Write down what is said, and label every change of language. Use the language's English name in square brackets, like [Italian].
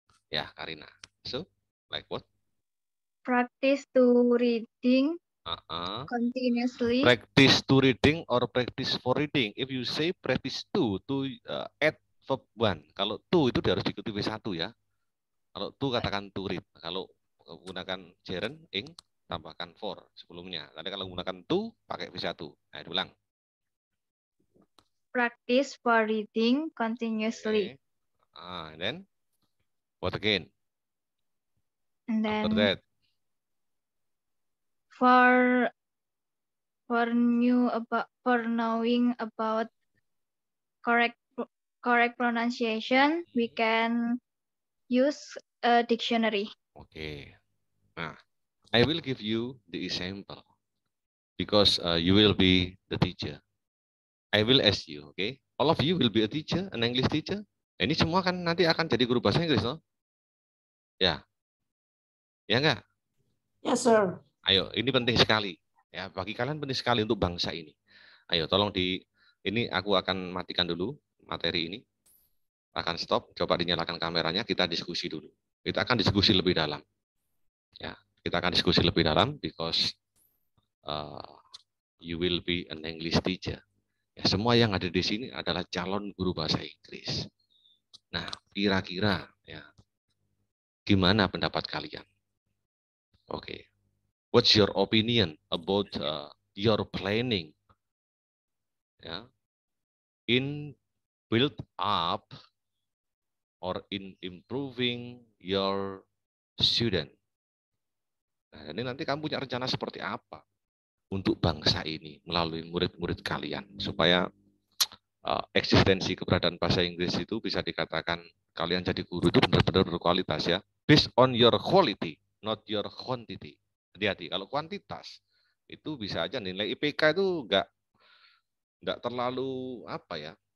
[English] Ya, yeah, Karina. So, like what? Practice to reading continuously. Practice to reading or practice for reading? If you say practice to add verb one. [Indonesian] Kalau to itu dia harus diikuti V1 ya. Kalau to katakan to read. Kalau menggunakan gerund, ing, tambahkan for sebelumnya. Tadi kalau menggunakan to, pakai V1. Nah, diulang. [English] Practice for reading continuously. Okay. And then, what again? And then, after that. For knowing about correct pronunciation, we can use a dictionary. Okay. Nah, I will give you the example because you will be the teacher. I will ask you, okay? All of you will be a teacher, an English teacher. [Indonesian] Ini semua kan nanti akan jadi guru bahasa Inggris, loh. Ya. Yeah. Ya yeah, enggak? [English] Yes, sir. [Indonesian] Ayo, ini penting sekali ya bagi kalian, penting sekali untuk bangsa ini. Ayo, tolong di ini aku akan matikan dulu materi ini, akan stop. Coba dinyalakan kameranya, kita diskusi dulu. Kita akan diskusi lebih dalam. Ya, kita akan diskusi lebih dalam [English] because you will be an English teacher. [Indonesian] Ya, semua yang ada di sini adalah calon guru bahasa Inggris. Nah, kira-kira ya gimana pendapat kalian? Oke. Okay. [English] What's your opinion about your planning? Yeah, in build up or in improving your student. [Indonesian] Nah, ini nanti kamu punya rencana seperti apa untuk bangsa ini melalui murid-murid kalian supaya eksistensi keberadaan bahasa Inggris itu bisa dikatakan kalian jadi guru itu benar-benar berkualitas ya. [English] Based on your quality, not your quantity. [Indonesian] Hati-hati, kalau kuantitas itu bisa aja nilai IPK itu enggak terlalu apa ya.